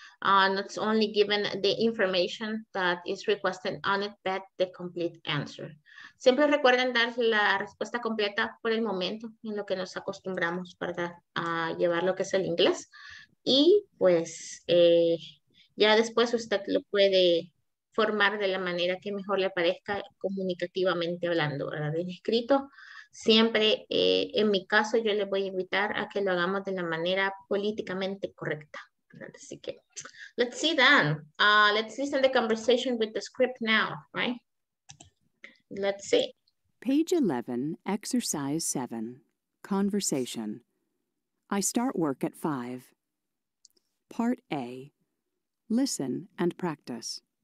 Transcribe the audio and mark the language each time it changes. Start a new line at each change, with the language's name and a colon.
English: Not only given the information that is requested on it, but the complete answer.
Spanish: Siempre recuerden dar la respuesta completa por el momento en lo que nos acostumbramos para llevar lo que es el inglés. Y pues ya después usted lo puede formar de la manera que mejor le parezca comunicativamente hablando, ¿verdad? En escrito. Siempre, en mi caso, yo le voy a invitar a que lo hagamos de la manera políticamente correcta, ¿verdad? Así que,
English: let's see then. Let's listen to the conversation with the script now, right? Let's see. Page 11, exercise 7, conversation. I start work at 5. Part A, listen and practice.